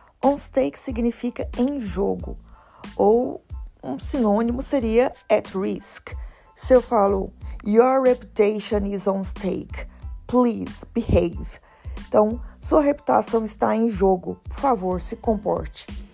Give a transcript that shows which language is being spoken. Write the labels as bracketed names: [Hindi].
[Portuguese] On stake significa em jogo, ou um sinônimo seria at risk. Se eu falo, [English] your reputation is on stake, please behave. [Portuguese] Então, sua reputação está em jogo, por favor, se comporte.